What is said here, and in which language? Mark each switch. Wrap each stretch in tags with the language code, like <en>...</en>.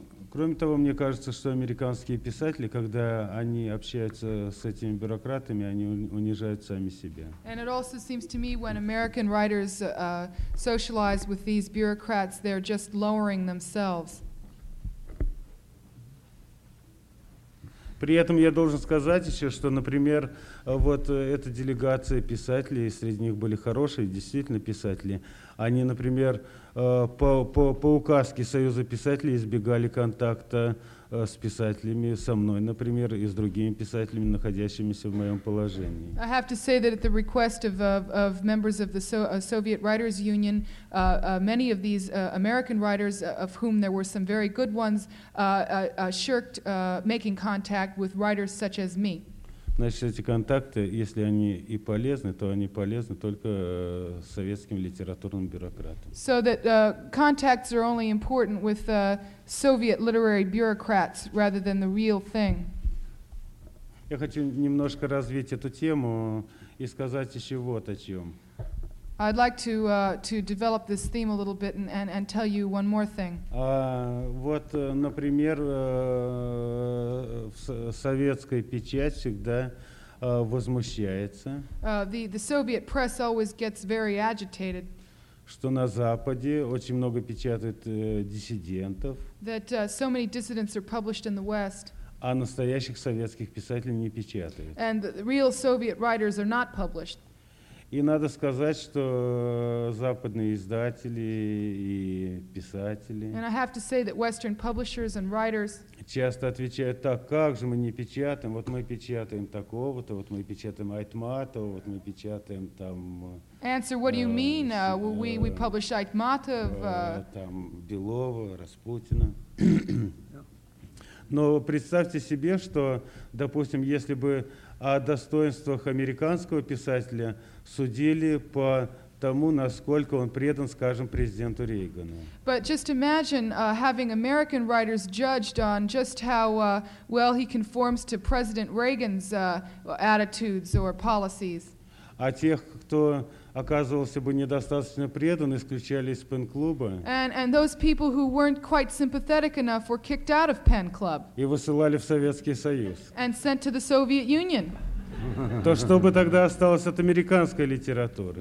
<ru>Кроме того, мне кажется, что американские писатели, когда они общаются с этими бюрократами, они унижают сами себя.</ru> <en>And it also seems to me when American writers socialize with these bureaucrats, they're just lowering themselves.</en> <ru>При этом я должен сказать еще, что, например, вот эта делегация писателей, среди них были хорошие, действительно писатели, они, например, по указке Союза писателей избегали контакта с писателями, со мной, например, и с другими писателями, находящимися в моем положении.</ru> <en>I have to say that at the request of members of the Soviet Writers Union, many of these American writers, of whom there were some very good ones, shirked making contact with writers such as me.</en> <ru>Значит, эти контакты, если они и полезны, то они полезны только советским литературным бюрократам.</ru> <en>So that contacts are only important with Soviet literary bureaucrats rather than the real thing.</en> <ru>Я хочу немножко развить эту тему и сказать еще вот о чем.</ru> <en>I'd like to develop this theme a little bit and tell you one more thing.</en> <ru>Вот, например, в советской печать всегда возмущается.</ru> <en>The Soviet press always gets very agitated.</en> <ru>Что на Западе очень много печатают диссидентов.</ru> <en>That so many dissidents are published in the West.</en> <ru>А настоящих советских писателей не печатают.</ru> <en>And the real Soviet writers are not published.</en> <ru>И надо сказать, что западные издатели и писатели</ru> <en>and I have to say that Western publishers and writers</en> <ru>часто отвечают: так как же мы не печатаем? Вот мы печатаем такого-то, вот мы печатаем Айтматова, вот мы печатаем там.</ru> <en>Answer: what do you mean? We publish Айтматов,</en> <ru>там Белова, Распутина. Но представьте себе, что, допустим, если бы о достоинствах американского писателя судили по тому, насколько он предан, скажем, президенту Рейгану.</ru> <en>But just imagine having American writers judged on just how well he conforms to President Reagan's attitudes or policies.</en> <ru>А тех, кто оказывался бы недостаточно предан, исключали из пен-клуба.</ru> <en>And those people who weren't quite sympathetic enough were kicked out of pen club.</en> <ru>И высылали в Советский Союз.</ru> <en>And sent to the Soviet Union.</en> <ru>То, что бы тогда осталось от американской литературы?</ru>